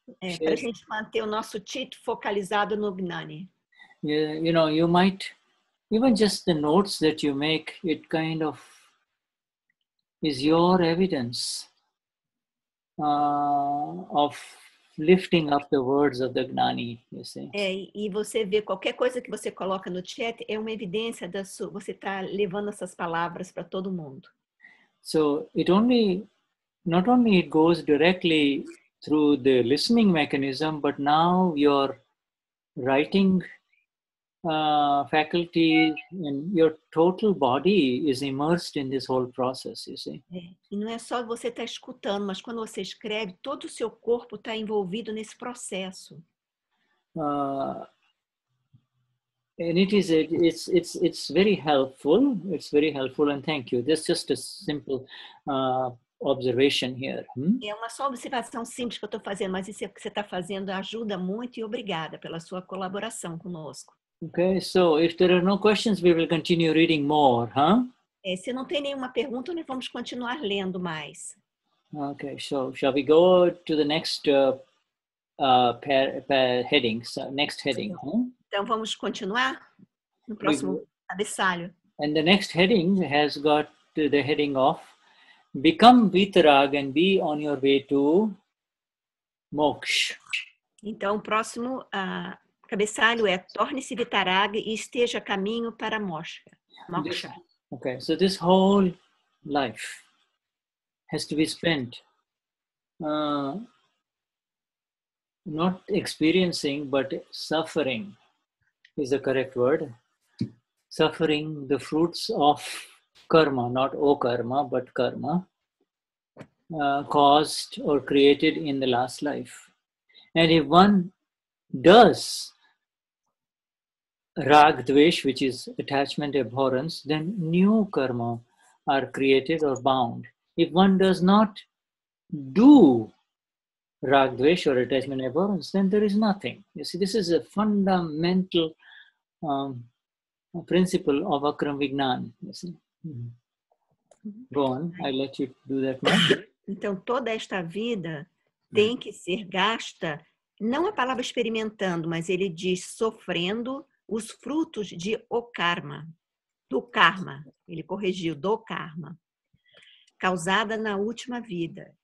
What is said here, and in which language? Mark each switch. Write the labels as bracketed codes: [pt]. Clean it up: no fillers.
[pt] Para a gente manter o nosso chit focalizado no Gnani. [en] Yeah, you know, you might, even just the notes that you make, it kind of is your evidence of lifting up the words of the Gnani, you see? [pt] E você vê qualquer coisa que você coloca no chat é uma evidência da sua, você está levando essas palavras para todo mundo. [en] So, it only. Not only it goes directly through the listening mechanism, but now your writing faculty and your total body is immersed in this whole process, you see. [pt] E não é só você tá escutando, mas quando você escreve, todo o seu corpo tá envolvido nesse processo. [en] And it's very helpful. It's very helpful, and thank you. That's just a simple observation here. [pt] É uma só observação simples que eu estou fazendo, mas isso que você está fazendo ajuda muito e obrigada pela sua colaboração conosco. [en] Okay, so if there are no questions, we will continue reading more, huh? [pt] Se não tem nenhuma pergunta, nós vamos continuar lendo mais. [en] Okay, so shall we go to the next heading? So next heading. [pt] Então vamos continuar no próximo cabeçalho. [en] And the next heading has got the heading of Become Vitarag and be on your way to Moksha. [pt] Então, o próximo cabeçalho é torne-se Vitarag e esteja a caminho para Moksha. [en] Okay, so this whole life has to be spent not experiencing, but suffering is the correct word. Suffering the fruits of karma, not o karma, but karma. Caused or created in the last life. And if one does rag dvesh, which is attachment abhorrence, then new karma are created or bound. If one does not do rag dvesh or attachment abhorrence, then there is nothing. You see, this is a fundamental principle of Akram Vignan. You see? Mm-hmm. Go on, I let you do that now. [pt] Então, toda esta vida tem que ser gasta, não a palavra experimentando, mas ele diz sofrendo os frutos de o karma, do karma, ele corrigiu, do karma, causada na última vida.